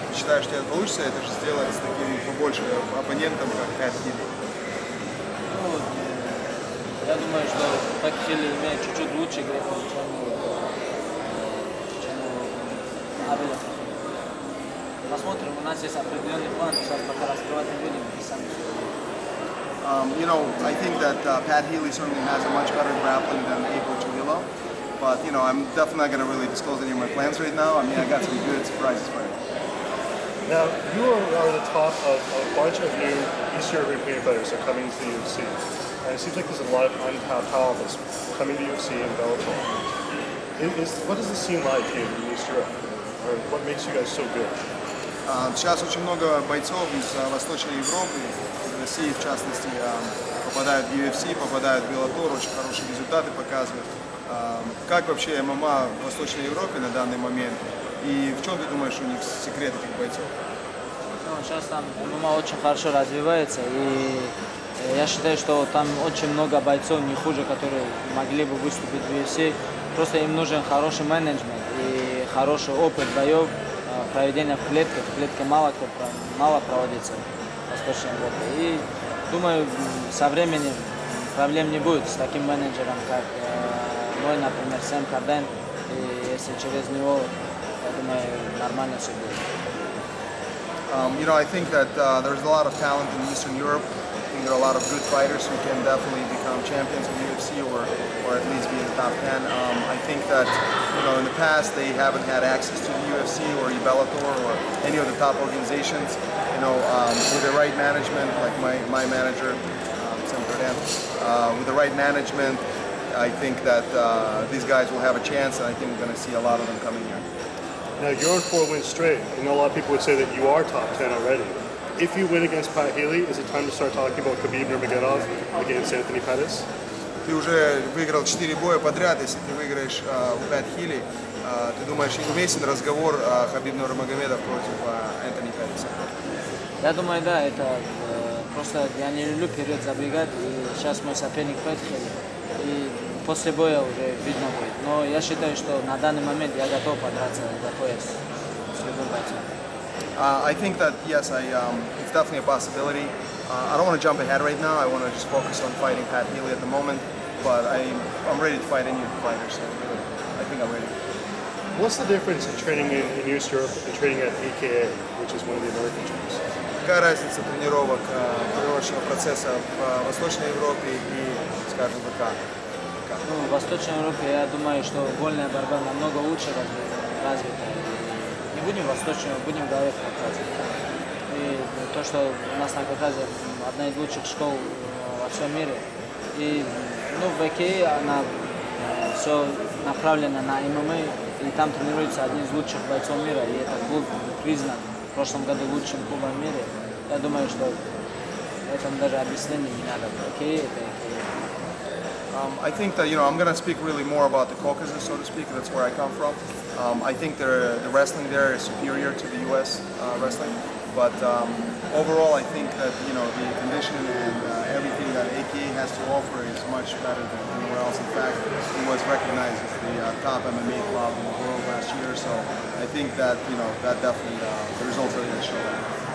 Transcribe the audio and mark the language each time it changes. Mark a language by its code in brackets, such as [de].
[ru] Считаешь, что тебе получится это же сделать с таким побольше оппонентом, как Пэт Хилли? Ну, я думаю, что Пэт Хилли имеет чуть-чуть лучше грапл, чем Абеля. Посмотрим, у нас есть определенный план, сейчас пока раскрывать не будем. [en] You know, I think that Pat Healy certainly has a much better grappling than Abel Trujillo. But, you know, I'm definitely not going to really disclose any of my plans right now. I mean, I got some good surprises for you. Now, you are the top of a bunch of new East European fighters that are coming to the UFC. And it seems like there's a lot of untapped talent that's coming to UFC and Bellator. What does it seem like here in East Europe? Or what makes you guys so good? [ru] Сейчас очень много бойцов из Восточной Европы, из России, в частности, попадают в UFC, попадают в Bellator, очень хорошие результаты показывают. Как вообще ММА в Восточной Европе на данный момент? И в чем ты думаешь, у них секрет этих бойцов? Ну, сейчас там ММА очень хорошо развивается. И я считаю, что там очень много бойцов, не хуже, которые могли бы выступить в UFC. Просто им нужен хороший менеджмент и хороший опыт боев, проведения в клетке. В клетке мало проводится в Восточной Европе. И думаю, со временем проблем не будет с таким менеджером, как... Мой, например, Сэм Карден, и если через него, я думаю, нормально все будет. [en] You know, I think that there's a lot of talent in Eastern Europe. I think there are a lot of good fighters who can definitely become champions of the UFC or at least be in the top 10. I think that, you know, in the past they haven't had access to the UFC or Bellator or any of the top organizations. You know, with the right management, like my manager, Sam Carden, with the right management, I think that these guys will have a chance, and I think we're going to see a lot of them coming here. Now, you're on 4 wins straight, and a lot of people would say that you are top 10 already. If you win against Pat Healy, is it time to start talking about Khabib Nurmagomedov against Anthony Pettis? [ru] Ты уже выиграл 4 боя подряд. Если ты выиграешь у Пэт Хилли, ты думаешь, уместен разговор Хабиб Нурмагомедов против Энтони Пэттиса? Я думаю, да. Это просто я не люблю вперед забегать, и сейчас мой соперник Пэт Хилли. И после боя уже видно будет. Но я считаю, что на данный момент я готов подраться за пояс с любым бойцом. [en] I think that yes, it's definitely a possibility. I don't want to jump ahead right now. I want to just focus on fighting Pat Healy at the moment. But I'm ready to fight any of the fighters. So I think I'm ready. What's the difference in training in East Europe and training at AKA, which is one of the American gyms? [ru] Какая разница тренировочного процесса в Восточной Европе и, скажем, ВК? Ну, в Восточной Европе, я думаю, что вольная борьба намного лучше развита. Не будем восточного, будем говорить в Кавказе. И то, что у нас на Кавказе одна из лучших школ во всем мире. И ну, в ВК она все направлена на ММА, и там тренируется один из лучших бойцов мира, и этот клуб признан в прошлом году лучшим клубом в мире. Я думаю, что этому даже объяснение не надо. Окей, это [en] I think that, you know, I'm going to speak really more about the Caucasus, so to speak, that's where I come from. I think the wrestling there is superior to the U.S. Wrestling, but overall I think that, you know, the condition and everything that AKA has to offer is much better than anywhere else. In fact, it was recognized as the top MMA club in the world last year, so I think that, you know, that definitely, the results are going to show that.